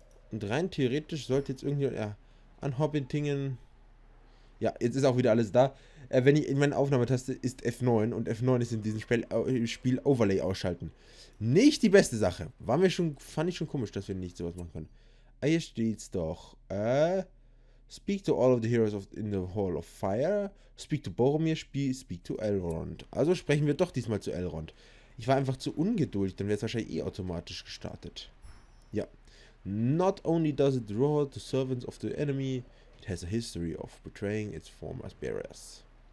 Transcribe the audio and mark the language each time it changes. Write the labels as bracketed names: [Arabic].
[German] Und rein theoretisch sollte jetzt irgendwie an Hobbitingen. Ja, jetzt ist auch wieder alles da. Wenn ich in meine Aufnahmetaste ist F9 und F9 ist in diesem Spiel Overlay ausschalten. Nicht die beste Sache. Fand ich schon komisch, dass wir nicht sowas machen können. Ah, hier steht's doch. [English] Speak to all of the heroes in the Hall of Fire. Speak to Boromir, speak to Elrond. [German] Also sprechen wir doch diesmal zu Elrond. Ich war einfach zu ungeduldig, dann wäre es wahrscheinlich eh automatisch gestartet. Ja. [English] Not only does it draw the servants of the enemy, it has a history of betraying its former bearers.